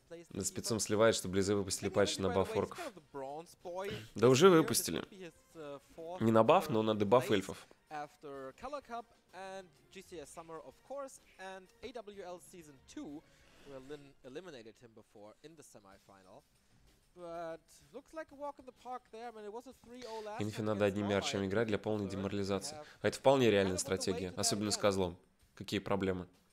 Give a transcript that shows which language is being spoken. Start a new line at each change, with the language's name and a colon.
Russian: На спецом сливает, что близы выпустили патч на баф орков. Да уже выпустили. Не на баф, но на дебаф эльфов.
English: After Color Cup and GCS Summer, of course, and AWL Season 2. eliminated him before in the semifinal. But looks like a walk in the park there. I mean, it was a 3-0 last.
Russian: Инфи надо одними арчами играть для полной деморализации. А это вполне реальная стратегия, особенно с козлом. Какие проблемы?